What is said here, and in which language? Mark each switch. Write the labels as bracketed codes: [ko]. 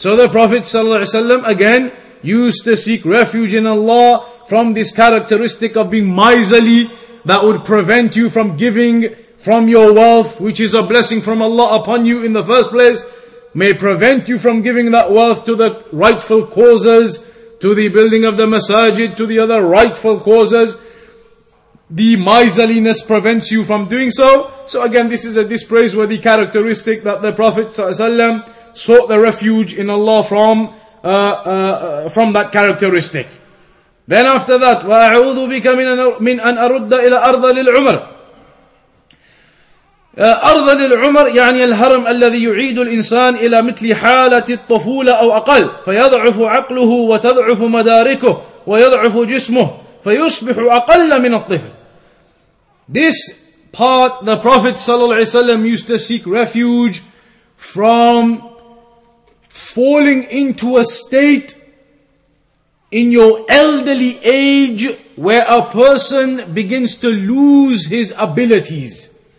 [en] So the Prophet ﷺ again used to seek refuge in Allah from this characteristic of being miserly, that would prevent you from giving from your wealth, which is a blessing from Allah upon you in the first place, may prevent you from giving that wealth to the rightful causes, to the building of the masajid, to the other rightful causes. The miserliness prevents you from doing so. So again, this is a dispraiseworthy characteristic that the Prophet ﷺ sought the refuge in Allah from that characteristic. Then after that, [ar] وَأَعُوذُ بِكَ مِنْ أَنْ أَرُدَّ إِلَىٰ أَرْضَ لِلْعُمَرِ أَرْضَ لِلْعُمَرِ يعني الهرم الذي يعيد الإنسان إلى مثل حالة الطفولة أو أقل فيضعف عقله وتضعف مداركه ويضعف جسمه فيصبح أقل من الطفل. [en] This part the Prophet صلى الله عليه وسلم used to seek refuge from falling into a state in your elderly age where a person begins to lose his abilities.